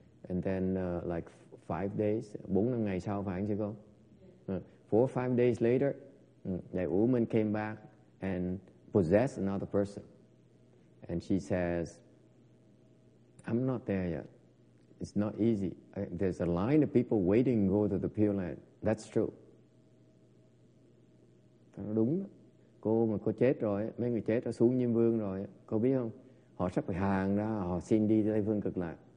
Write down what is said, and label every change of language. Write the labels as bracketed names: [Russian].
[English] And then like 5 days, [Vietnamese] 4 ngày sau phải anh chị cô? [English] 4 or 5 days later, that woman came back and possessed another person. And she says, I'm not there yet. It's not easy. There's a line of people waiting to go to the Pure Land. That's true. [Vietnamese] Đúng. Cô mà cô chết rồi, mấy người chết đã xuống Diêm Vương rồi. Cô biết không? Họ sắp phải hàng ra, họ xin đi Tây Phương Cực Lạc.